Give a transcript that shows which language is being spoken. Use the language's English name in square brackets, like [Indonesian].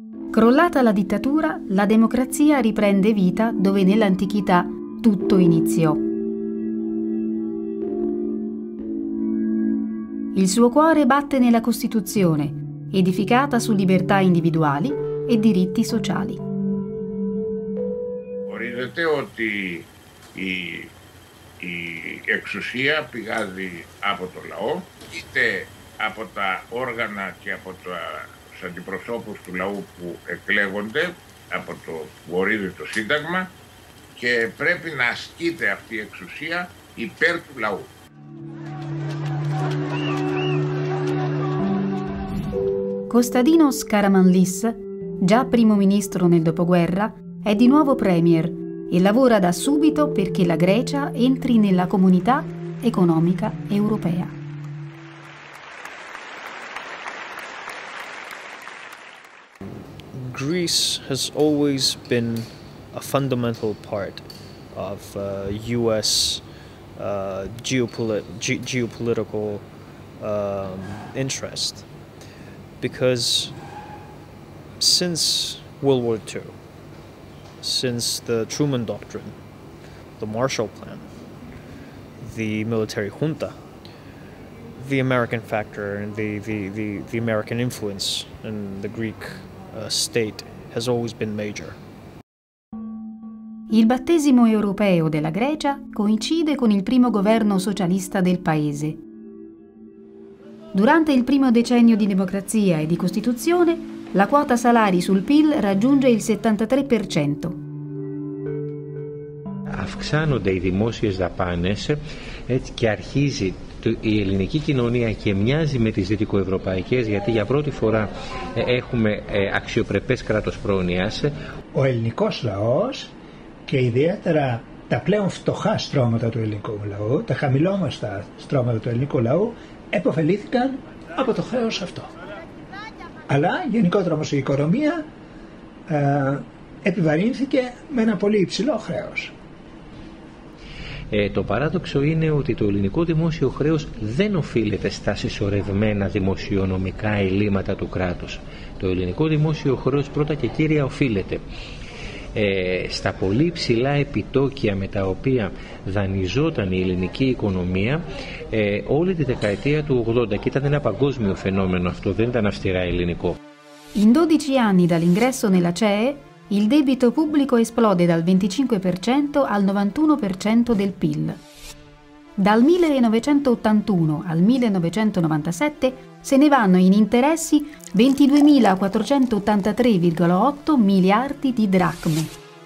[Italian] Crollata la dittatura, la democrazia riprende vita dove nell'antichità tutto iniziò. Il suo cuore batte nella Costituzione, edificata su libertà individuali e diritti sociali. [Greek] Ορίζεται ότι η εξουσία πηγάζει από το λαό, είτε από τα όργανα και από τα αντιπροσώπους του λαού που εκλέγονται από το που ορίζει το Σύνταγμα και πρέπει να ασκείται αυτή η εξουσία υπέρ του λαού. [Italian] Kostadinos Karamanlis, già primo ministro nel dopoguerra, è di nuovo premier e lavora da subito perché la Grecia entri nella comunità economica europea. [English] Greece has always been a fundamental part of U.S. geopolitical interest, because since World War II, since the Truman Doctrine, the Marshall Plan, the military junta, the American factor and the American influence in the Greek state has always been major. [Italian] Il battesimo europeo della Grecia coincide con il primo governo socialista del paese. Durante il primo decennio di democrazia e di costituzione, la quota salari sul PIL raggiunge il 73%. [Greek] Αυξάνονται οι δημόσιες δαπάνες, έτσι, και αρχίζει η ελληνική κοινωνία και μοιάζει με τις δυτικοευρωπαϊκές, γιατί για πρώτη φορά έχουμε αξιοπρεπές κράτος πρόνοιας. Ο ελληνικός λαός και ιδιαίτερα τα πλέον φτωχά στρώματα του ελληνικού λαού, τα χαμηλόμαστα στρώματα του ελληνικού λαού, επωφελήθηκαν από το χρέος αυτό. Αλλά γενικότερα όμως η οικονομία επιβαρύνθηκε με ένα πολύ υψηλό χρέος. Το παράδοξο είναι ότι το ελληνικό δημόσιο χρέος δεν οφείλεται στα συσσωρευμένα δημοσιονομικά ελλείμματα του κράτους. Το ελληνικό δημόσιο χρέος πρώτα και κύρια οφείλεται στα πολύ ψηλά επιτόκια με τα οποία δανειζόταν η ελληνική οικονομία όλη τη δεκαετία του 80, και ήταν ένα παγκόσμιο φαινόμενο αυτό, δεν ήταν αυστηρά ελληνικό. [Italian] In 12 anni dall'ingresso nella CEE, il debito pubblico esplode dal 25% al 91% del PIL. Dal 1981 al 1997 se ne vanno in interessi 22.483,8 miliardi di dracme.